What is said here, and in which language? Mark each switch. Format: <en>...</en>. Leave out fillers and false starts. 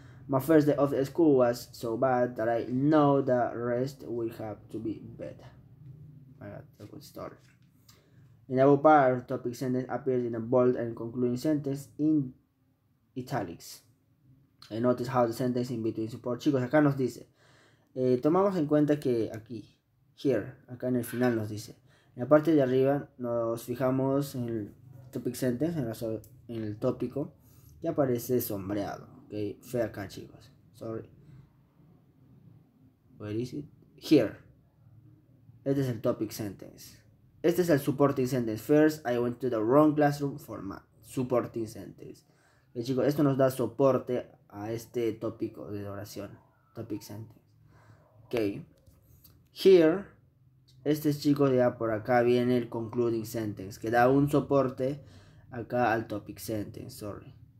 <en>My first day of school was so bad that I know the rest will have to be better. My god, a good story. In the above part, topic sentence appears in a bold and concluding sentence in italics. And notice how the sentence in between support.</en> <es>Chicos, acá nos dice. Tomamos en cuenta que aquí,</es> <en>here,</en> <es>acá en el final nos dice. En la parte de arriba nos fijamos en el topic sentence, en el tópico, y aparece sombreado. Ok, fue acá, chicos.</es> <en>Sorry. Where is it? Here.</en> <es>Este es el</es> <en>topic sentence.</en> <es>Este es el supporting sentence.</es> <en>First, I went to the wrong classroom format. Supporting sentence.</en> <es>Okay, chicos, esto nos da soporte a este tópico de oración.</es> <en>Topic sentence. Ok. Here.</en> <es>Este es, chicos, ya por acá viene el concluding sentence. Que da un soporte acá al topic sentence.</es> <en>Sorry.</en>